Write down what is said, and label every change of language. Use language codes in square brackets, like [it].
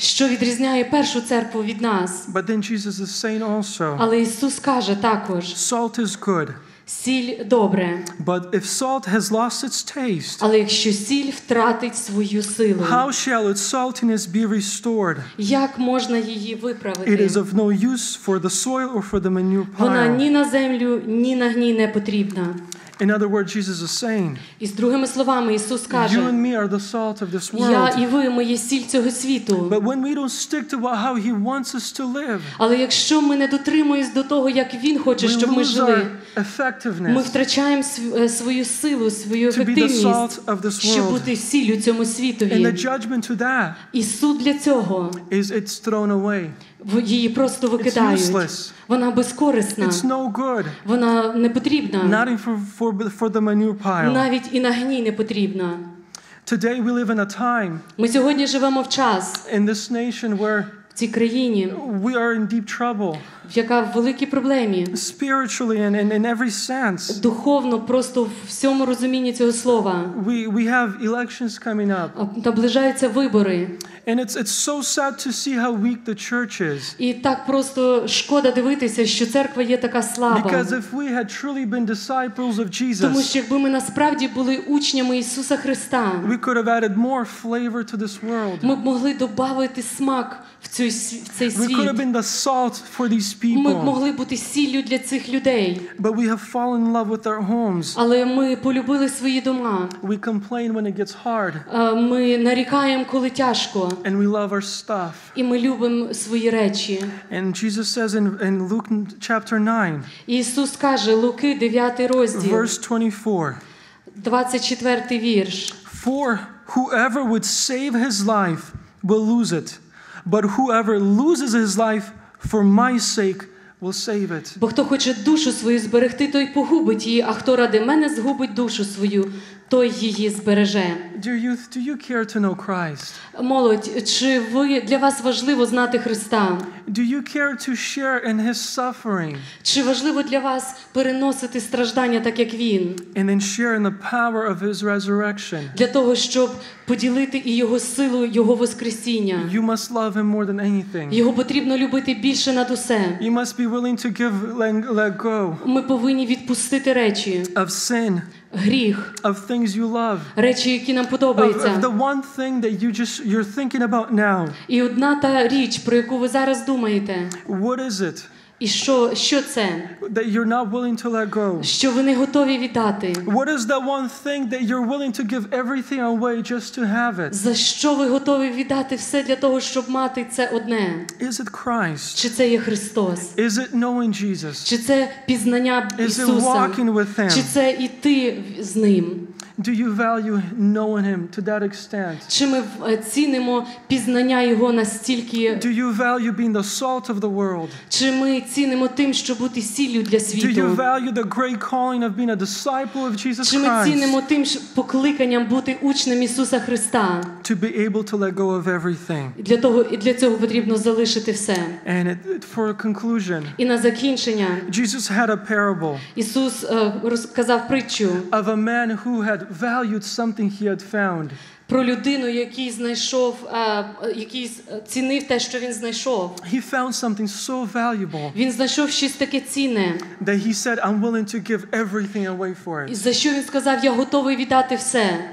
[uk] Що відрізняє першу церкву від нас? [en] But then Jesus is saying also. [uk] Але Ісус каже також. [en] Salt is good. [uk] Сіль добре. [en] But if salt has lost its taste. [uk] Але якщо сіль втратить свою силу. [en] How shall its saltiness be restored? [uk] Як можна її виправити? [en] It is of no use for the soil or for the manure pile. [uk] Вона ні на землю, ні на гній не потрібна. [en] In other words, Jesus is saying. [uk] І з другими словами Ісус каже. [en] You and me are the salt of this world. [uk] Я і ви, ми є сіль цього світу. [en] But when we don't stick to how he wants us to live. [uk] Але якщо ми не дотримуємось до того, як він хоче, щоб ми жили. [en] Effectiveness. [uk] Ми втрачаємо свою силу, свою ефективність, щоб бути сіллю цьому світові. [en] And the judgment to that. [uk] І суд для цього. [en] Is it's thrown away. [uk] Її просто викидають. Вона безкорисна. [en] It's no good. [uk] Вона не потрібна. [en] Not even for the manure pile. [uk] Навіть і на гній не потрібна. [en] Today we live in a time. [uk] Ми сьогодні живемо в час. [en] In this nation where [uk] в цій країні, [en] we are in deep trouble. [uk] В яка в великій проблемі. [en] Spiritually and in every sense. [uk] Духовно, просто в всьому розумінні цього слова. [en] We have elections coming up. [uk] Наближаються вибори. [en] And it's so sad to see how weak the church is. [uk] І так просто шкода дивитися, що церква є така слаба. [en] Because if we had truly been disciples of Jesus. [uk] Тому що якби ми насправді були учнями Ісуса Христа. [en] We could have added more flavor to this world. [uk] Ми б могли додати смак в цей світ. [en] We could have been the salt for these people. [uk] Ми б могли бути сіллю для цих людей. [en] But we have fallen in love with our homes. [uk] Але ми полюбили свої дома. [en] We complain when it gets hard. [uk] Ми нарікаємо, коли тяжко. [en] And we love our stuff. [uk] І ми любимо свої речі. [en] And Jesus says in Luke chapter 9. [uk] Ісус каже, Луки 9 розділ. [en] Verse 24. [uk] 24 вірш. [en] For whoever would save his life will lose it. But whoever loses his life for my sake will save it. [uk] Бо хто хоче душу свою зберегти, той погубить її, а хто ради мене згубить душу свою, той її збереже. [en] Dear youth, do you care to know Christ? [uk] Молодь, чи ви для вас важливо знати Христа? [en] Do you care to share in his suffering? [uk] Чи важливо для вас переносити страждання так, як він? [en] And then share in the power of his resurrection. [uk] Для того, щоб поділити і його силу, його воскресіння. [en] You must love him more than anything. [uk] Його потрібно любити більше над усе. [en] You must be willing to give let go. [uk] Ми повинні відпустити речі. [en] Of sin. [uk] Гріх. [en] Of things you love. [uk] Речі, які нам подобаються. [en] Of the one thing that you just you're thinking about now. [uk] І одна та річ, про яку ви зараз думаєте. [en] What is it? [uk] І що це? [en] That you're not willing to let go. [uk] Що ви не готові віддати? [en] What is the one thing that you're willing to give everything away just to have it? [uk] За що ви готові віддати все для того, щоб мати це одне? [en] Is it Christ? [uk] Чи це є Христос? [en] Is it knowing Jesus? [uk] Чи це пізнання Ісуса? [en] Is it walking with him? [uk] Чи це іти з ним? [en] Do you value knowing him to that extent? [uk] Чи ми цінимо пізнання його настільки? [en] Do you value being the salt of the world? [uk] Чи ми цінимо тим, щоб бути сіллю для світу? [en] Do you value the great calling of being a disciple of Jesus Christ? [uk] Чи ми цінимо тим покликанням бути учнем Ісуса Христа? [en] To be able to let go of everything. [uk] Для того і для цього потрібно залишити все. [en] And it, for a conclusion. [uk] І на закінчення. [en] Jesus had a parable. [uk] Ісус розказав притчу. [en] Of a man who had valued something he had found. [uk] Про людину, який знайшов, який цінив те, що він знайшов. [en] He found something so valuable. [uk] Він знайшов щось таке цінне. [en] That he said, I'm willing to give everything away for it. [uk] І за що він сказав, я готовий віддати все.